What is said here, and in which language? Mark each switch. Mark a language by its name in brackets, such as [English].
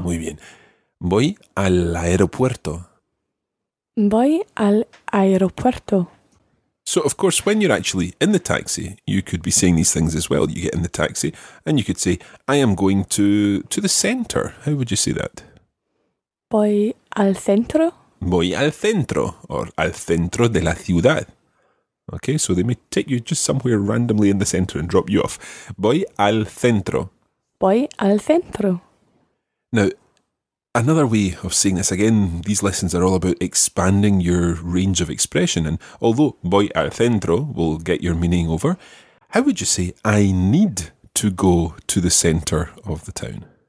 [Spanish] Muy bien. Voy al aeropuerto. Voy al aeropuerto. [English] So, of course, when you're actually in the taxi, you could be saying these things as well. You get in the taxi and you could say, I am going to the center. How would you say that? [Spanish] Voy al centro. Voy al centro, or al centro de la ciudad. [English] Okay, so they may take you just somewhere randomly in the center and drop you off. [Spanish] Voy al centro. Voy al centro. [English] Now, another way of saying this, again, these lessons are all about expanding your range of expression. And although [Spanish] voy al centro [English] will get your meaning over, how would you say I need to go to the center of the town?